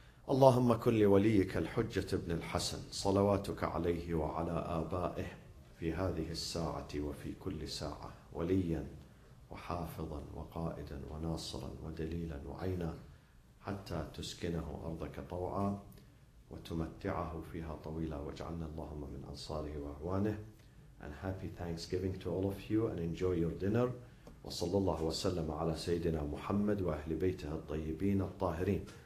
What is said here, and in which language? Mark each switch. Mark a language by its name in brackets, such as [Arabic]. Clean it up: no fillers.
[Arabic] اللهم كن لوليك الحجة ابن الحسن صلواتك عليه وعلى آبائه في هذه الساعة وفي كل ساعة وليا وحافظا وقائدا وناصرا ودليلا وعينا حتى تسكنه أرضك طوعا وتمتعه فيها طويلا واجعلنا اللهم من أنصاره وأعوانه. [English] And happy Thanksgiving to all of you, and enjoy your dinner. [Arabic] وصلى الله وسلم على سيدنا محمد وأهل بيته الطيبين الطاهرين.